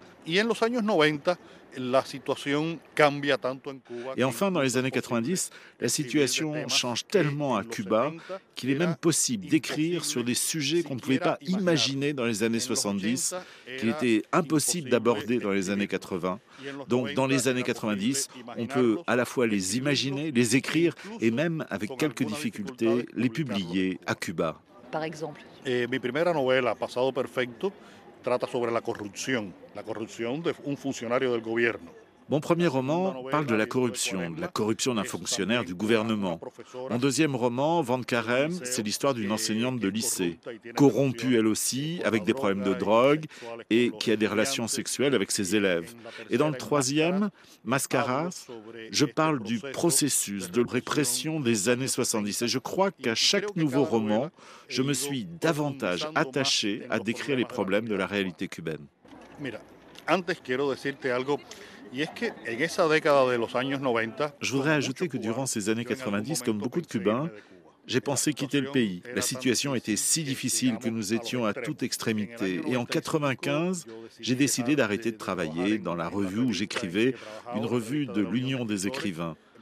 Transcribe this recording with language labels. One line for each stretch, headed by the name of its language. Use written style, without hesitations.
French: Et enfin, dans les années 90, la situation change tellement à Cuba qu'il est même possible d'écrire sur des sujets qu'on ne pouvait pas imaginer dans les années 70, qu'il était impossible d'aborder dans les années 80. Donc, dans les années 90, on peut à la fois les imaginer, les écrire et même, avec quelques difficultés, les publier à Cuba. Par exemple.
Spanish: Mi primera novela, Pasado Perfecto, trata sobre la corrupción de un funcionario del gobierno.
French: Mon premier roman parle de la corruption d'un fonctionnaire du gouvernement. Mon deuxième roman, Van Carême, c'est l'histoire d'une enseignante de lycée, corrompue elle aussi, avec des problèmes de drogue, et qui a des relations sexuelles avec ses élèves. Et dans le troisième, Mascaras, je parle du processus de répression des années 70. Et je crois qu'à chaque nouveau roman, je me suis davantage attaché à décrire les problèmes de la réalité cubaine.
Spanish: Mira, antes quiero decirte algo.
French: Je voudrais ajouter que durant ces années 90, comme beaucoup de Cubains, j'ai pensé quitter le pays. La situation était si difficile que nous étions à toute extrémité. Et en 95, j'ai décidé d'arrêter de travailler dans la revue où j'écrivais, une revue de l'Union des écrivains.